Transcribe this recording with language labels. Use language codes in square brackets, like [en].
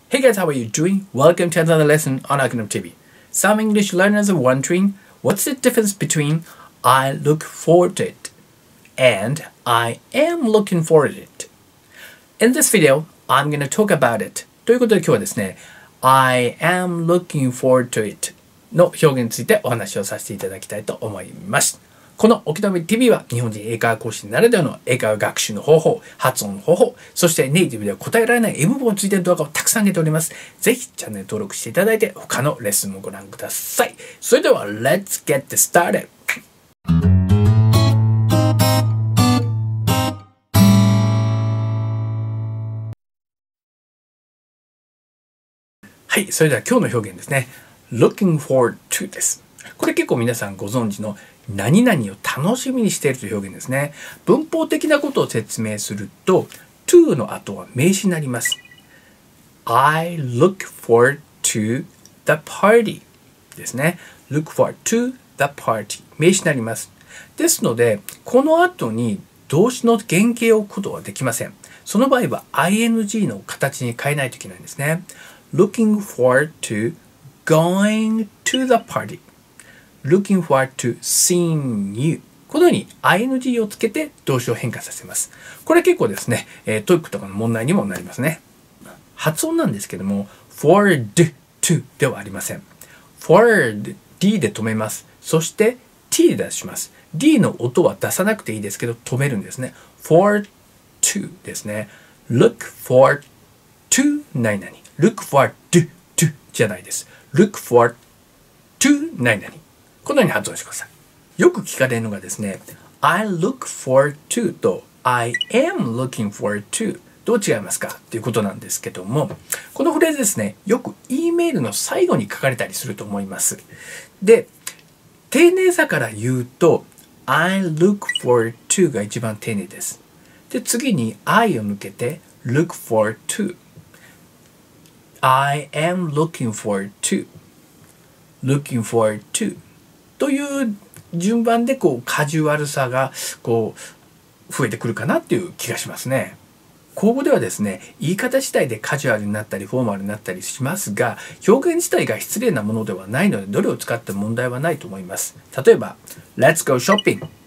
[en] Hey guys, how are you doing? Welcome to another lesson on Algonquin TV. Some English learners are wondering, what's the difference between I look forward to it and I am looking forward to it? In this video, I'm going to talk about it. [ja] ということで今日はですね、 [en] I am looking forward to it [ja] の表現についてお話をさせていただきたいと思います。この沖縄 TV は日本人英会話講師ならではの英会話学習の方法、発音の方法、そしてネイティブでは答えられない M 本についての動画をたくさん上げております。ぜひチャンネル登録していただいて他のレッスンもご覧ください。 [en] それでは Let's get started! [ja] はい、それでは今日の表現ですね。 [en] Looking forward to です。 [ja] これ結構皆さんご存知の何々を楽しみにしているという表現ですね。文法的なことを説明すると、to の後は名詞になります。 [en] I look forward to the party ですね。 Look forward to the party [ja] 名詞になります。ですので、この後に動詞の原形を置くことはできません。その場合は ing の形に変えないといけないんですね。 [en] Looking forward to going to the party. Looking forward to seeing you. [ja] このように ing をつけて動詞を変化させます。これは結構ですね、トイックとかの問題にもなりますね。発音なんですけども、forward to ではありません。 forward d で止めます。そして t で出します。 d の音は出さなくていいですけど、止めるんですね。 [en] forward to ですね。 look forward to 何々。 look forward to じゃないです。 look forward to 何々。 [ja] このように発音してください。よく聞かれるのがですね、 [en] I look forward to [ja] と [en] I am looking forward to [ja] どう違いますかということなんですけども、このフレーズですね、よく E メールの最後に書かれたりすると思います。で、丁寧さから言うと、 [en] I look forward to [ja] が一番丁寧です。で、次に I を抜けて、 [en] look forward to。 I am looking forward to。 looking forward to。 [ja] という順番でこうカジュアルさがこう増えてくるかなっていう気がしますね。口語ではですね、言い方次第でカジュアルになったりフォーマルになったりしますが、表現自体が失礼なものではないので、どれを使っても問題はないと思います。 [en] 例えば、Let's go shopping.